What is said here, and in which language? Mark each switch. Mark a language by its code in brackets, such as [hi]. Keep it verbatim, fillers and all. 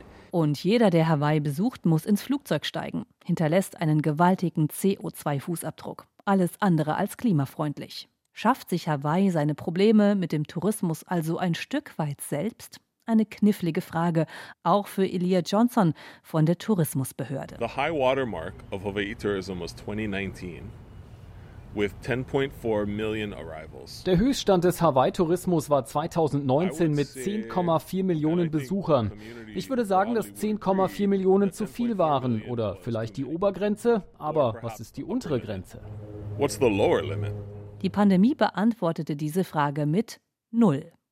[de] Und jeder, der Hawaii besucht, muss ins Flugzeug steigen, hinterlässt einen gewaltigen C O zwei Fußabdruck. Alles andere als klimafreundlich. Schafft sich Hawaii seine Probleme mit dem Tourismus also ein Stück weit selbst? Eine knifflige Frage, auch für Elia Johnson von der Tourismusbehörde. [en] The high water mark of Hawaii tourism was twenty nineteen. With ten point four million arrivals. [de] Der Höchststand des Hawaii-Tourismus war zweitausendneunzehn mit zehn Komma vier Millionen Besuchern. Ich würde sagen, dass zehn Komma vier Millionen zu viel waren oder vielleicht die Obergrenze, aber was ist die untere Grenze? [en] What's the lower limit? [de] Die Pandemie beantwortete diese Frage mit Null.